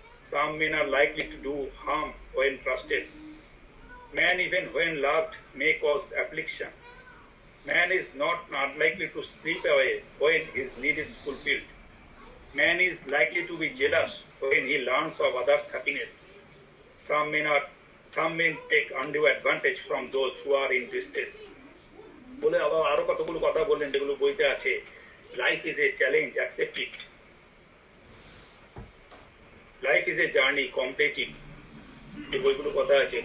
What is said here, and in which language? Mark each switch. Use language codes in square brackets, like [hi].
[en] Some men are likely to do harm when trusted. Man, even when loved, may cause affliction. Man is not unlikely to slip away when his need is fulfilled. Man is likely to be jealous when he learns of others' happiness. Some men take undue advantage from those who are in distress. [bn] বলে আবার আরো কতগুলো কথা বললেন যেগুলো বইতে আছে. [en] Life is a challenge, accept it. Life is a journey, complete it. [bn] এই বইগুলো কথা আছে.